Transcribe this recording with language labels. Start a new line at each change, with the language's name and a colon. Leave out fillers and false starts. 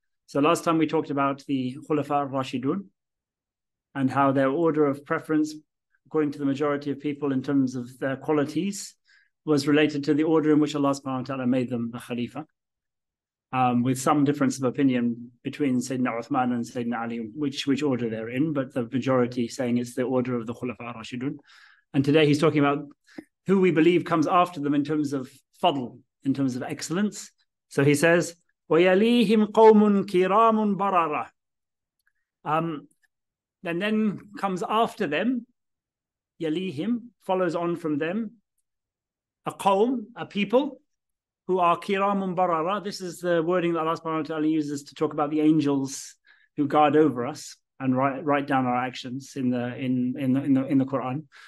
English: So last time we talked about the Khulafa Rashidun and how their order of preference, according to the majority of people in terms of their qualities, was related to the order in which Allah subhanahu wa ta'ala made them the Khalifa, with some difference of opinion between Sayyidina Uthman and Sayyidina Ali, which order they're in, but the majority saying it's the order of the Khulafa Rashidun. And today he's talking about who we believe comes after them in terms of fadl, in terms of excellence. So he says,
Arabic: وَيَلِيهِمْ قَوْمٌ كِرَامٌ بَرَرَةٌ.
English: And then comes after them, Yalihim, follows on from them, a qawm, a people, who are kiramun barara. This is the wording that Allah subhanahu wa ta'ala uses to talk about the angels who guard over us and write down our actions in the Quran.